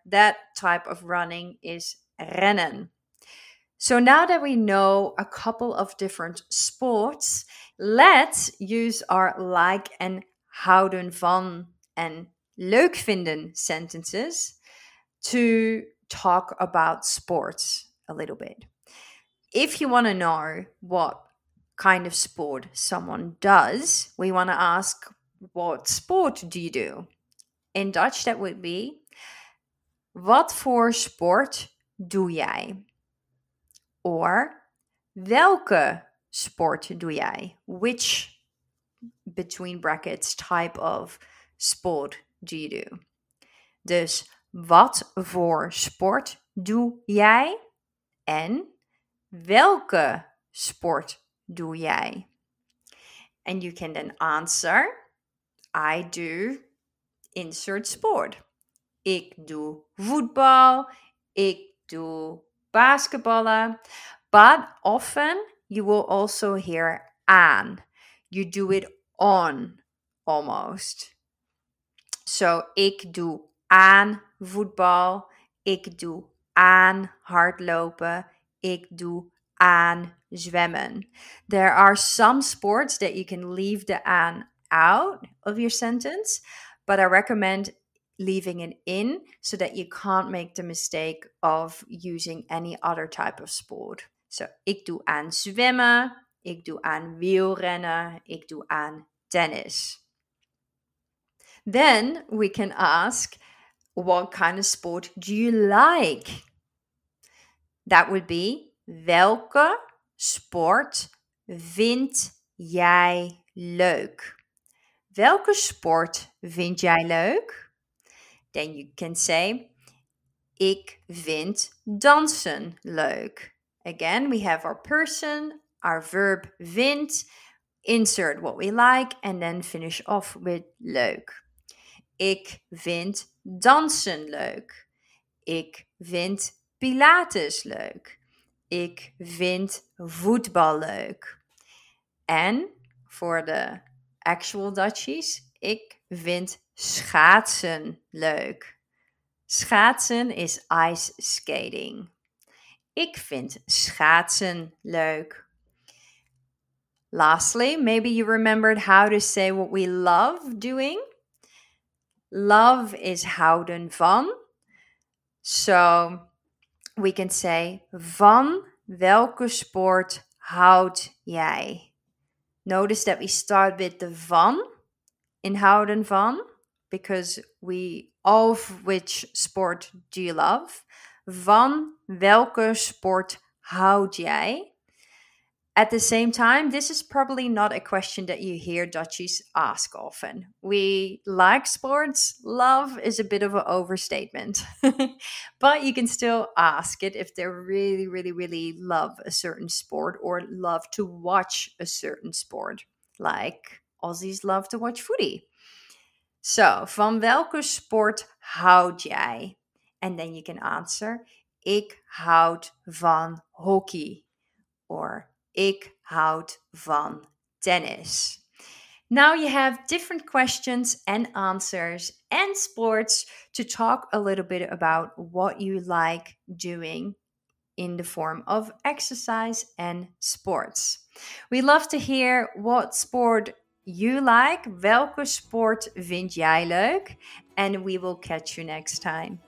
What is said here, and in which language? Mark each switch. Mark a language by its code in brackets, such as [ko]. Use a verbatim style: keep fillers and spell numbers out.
[en] That type of running is rennen. So now that we know a couple of different sports, let's use our like en houden van en leuk vinden sentences to talk about sports a little bit. If you want to know what kind of sport someone does, we want to ask, what sport do you do? In Dutch, that would be, [nl] wat voor sport doe jij? Or, welke sport doe jij? [en] Which, between brackets, type of sport do you do? [nl] Dus, wat voor sport doe jij? En welke sport doe jij? [en] And you can then answer, I do, insert sport. [nl] Ik doe voetbal, ik doe basketballen. [en] But often you will also hear aan. You do it on, almost. [nl] So, ik doe aan voetbal, ik doe aan hardlopen. Ik doe aan zwemmen. [en] There are some sports that you can leave the aan out of your sentence, but I recommend leaving it in so that you can't make the mistake of using any other type of sport. [nl] So, ik doe aan zwemmen, ik doe aan wielrennen, ik doe aan tennis. [en] Then we can ask, what kind of sport do you like? That would be, [nl] welke sport vind jij leuk? Welke sport vind jij leuk? [en] Then you can say, [nl] ik vind dansen leuk. [en] Again, we have our person, our verb vind, insert what we like, and then finish off with leuk. [nl] Ik vind dansen leuk. Ik vind Pilates leuk. Ik vind voetbal leuk. En voor de actual Dutchies, ik vind schaatsen leuk. Schaatsen [en] is ice skating. [nl] Ik vind schaatsen leuk. [en] Lastly, maybe you remembered how to say what we love doing. Love is houden van. So we can say, [nl] van welke sport houd jij? [en] Notice that we start with the van, in houden van, because we, of which sport do you love? [nl] Van welke sport houd jij? [en] At the same time, this is probably not a question that you hear Dutchies ask often. We like sports. Love is a bit of an overstatement. But you can still ask it if they really, really, really love a certain sport or love to watch a certain sport. Like Aussies love to watch footy. [nl] So, van welke sport houd jij? [en] And then you can answer, [nl] ik houd van hockey. Or, ik houd van tennis. [en] Now you have different questions and answers and sports to talk a little bit about what you like doing in the form of exercise and sports. We love to hear what sport you like. [nl] Welke sport vind jij leuk? [en] And we will catch you next time.